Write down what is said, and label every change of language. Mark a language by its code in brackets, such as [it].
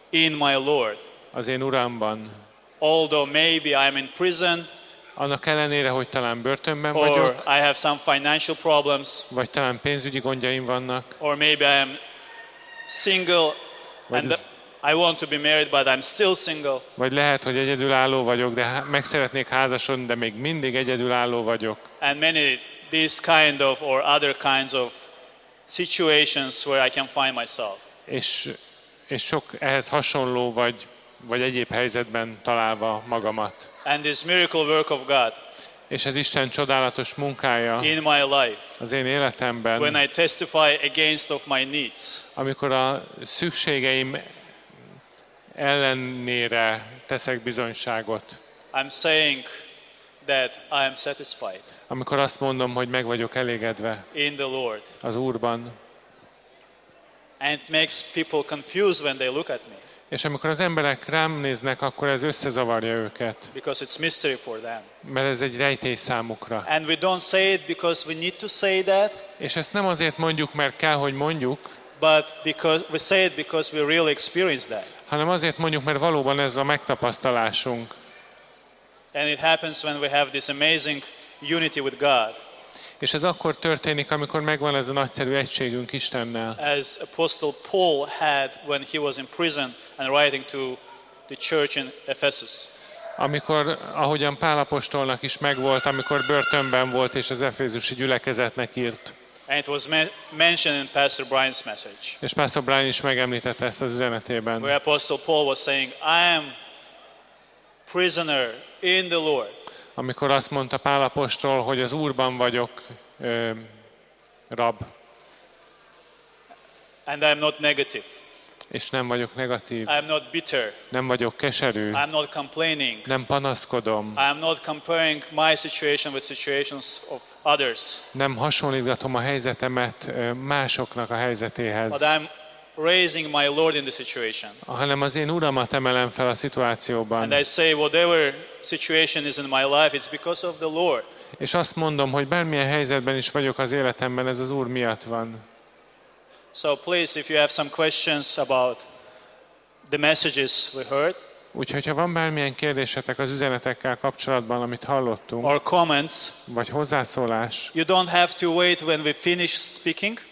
[en] In my Lord. [hu] Az én Uramban. [en] Although maybe I am in prison. [hu] Annak ellenére, hogy talán börtönben [en] or [hu] vagyok, [en] I have some financial problems, [hu] vagy talán pénzügyi gondjaim vannak, [en] or maybe I am single and I want to be married but I'm still single. [hu] Vagy lehet, hogy egyedülálló vagyok, de meg szeretnék házasodni, de még mindig egyedülálló vagyok. [en] And many these kind of or other kinds of situations where I can find myself. [hu] És sok ehhez hasonló vagy egyéb helyzetben találva magamat. [en] And this miracle work of God. [hu] És ez Isten csodálatos munkája. [en] In my life. [hu] Az én életemben. [en] When I testify against of my needs. [hu] Amikor a szükségeim ellenére teszek bizonyságot. [en] I'm saying that I am satisfied. [hu] Amikor azt mondom, hogy meg vagyok elégedve. [en] In the Lord. [hu] Az Úrban. [en] And it makes people confused when they look at me. [hu] És amikor az emberek rám néznek, akkor ez összezavarja őket. [en] Because it's mystery for them. [hu] Mert ez egy rejtély számukra. [en] And we don't say it because we need to say that. [hu] És ezt nem azért mondjuk, mert kell, hogy mondjuk. [en] But because we say it because we really experience that. [hu] Hanem azért mondjuk, mert valóban ez a megtapasztalásunk. [en] And it happens when we have this amazing unity with God. [hu] És ez akkor történik, amikor megvan ez a nagyszerű egységünk Istennel. [en] As Apostle Paul had when he was in prison and writing to the church in Ephesus. [hu] Amikor, ahogyan Pál apostolnak is megvolt, amikor börtönben volt és az efézusi gyülekezetnek írt. [en] And it was mentioned in Pastor Brian's message. [hu] És Pastor Brian is megemlítette ezt az üzenetében. [en] Where Apostle Paul was saying, I am prisoner in the Lord. [hu] Amikor azt mondta Pál apostol, hogy az Úrban vagyok rab. [en] And I'm not negative. [hu] És nem vagyok negatív. [en] I'm not bitter. [hu] Nem vagyok keserű. [en] I'm not complaining. [hu] Nem panaszkodom. [en] I'm not comparing my situation with situations of others. [hu] Nem hasonlítgatom a helyzetemet másoknak a helyzetéhez. [en] But I'm raising my Lord in the situation. [hu] Hanem az én Uramat emelem fel a szituációban. [en] And I say whatever situation is in my life, it's because of the Lord. [hu] És azt mondom, hogy bármilyen helyzetben is vagyok az életemben, ez az Úr miatt van. [en] So please, if you have some questions about the messages we heard. [hu] Úgyhogy ha van bármilyen kérdésetek az üzenetekkel kapcsolatban, amit hallottunk. [en] Or comments. [hu] Vagy hozzászólás. [en] You don't have to wait when we finish speaking.